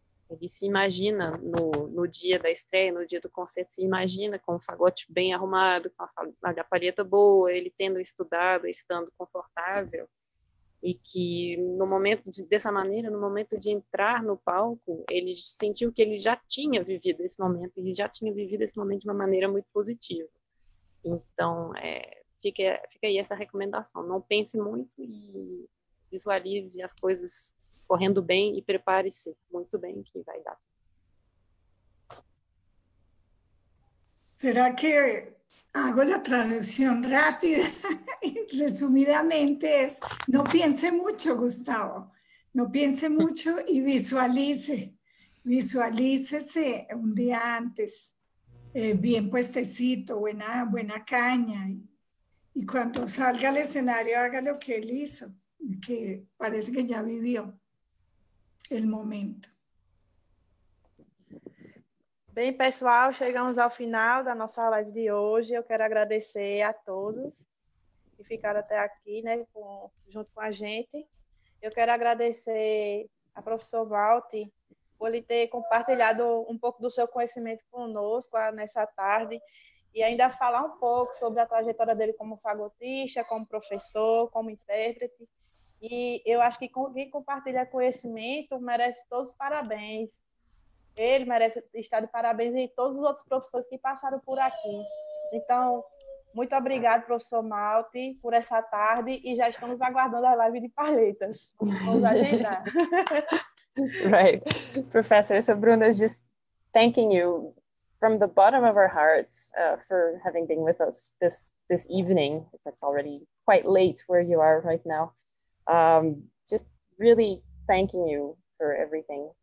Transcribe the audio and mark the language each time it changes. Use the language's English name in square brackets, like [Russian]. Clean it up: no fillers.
[Portuguese] Ele se imagina no dia da estreia, no dia do concerto, se imagina com o fagote bem arrumado, com a palheta boa, ele tendo estudado, estando confortável, e que no momento dessa maneira, no momento de entrar no palco, ele sentiu que ele já tinha vivido esse momento, ele já tinha vivido esse momento de uma maneira muito positiva. Então, fica aí essa recomendação. Não pense muito e visualize as coisas correndo bem e prepare-se muito bem que vai dar. [Spanish] Será que hago la traducción rápida y resumidamente es no piense mucho, Gustavo. No piense mucho y visualice. Visualícese un día antes, bien puestecito, buena caña. Y cuando salga al escenario, haga lo que él hizo, que parece que ya vivió el momento. [Portuguese] Bem, pessoal, chegamos ao final da nossa live de hoje. Eu quero agradecer a todos que ficaram até aqui, né, junto com a gente. Eu quero agradecer a professor Malte por ele ter compartilhado um pouco do seu conhecimento conosco nessa tarde e ainda falar um pouco sobre a trajetória dele como fagotista, como professor, como intérprete. E eu acho que quem compartilha conhecimento merece todos os parabéns. Ele merece estar de parabéns e todos os outros professores que passaram por aqui. Então, muito obrigado, professor Malte, por essa tarde e já estamos aguardando a live de palhetas. Vamos agendar. [English] Right. Professor, so Bruna is just thanking you from the bottom of our hearts for having been with us this evening. It's already quite late where you are right now. Just really thanking you for everything.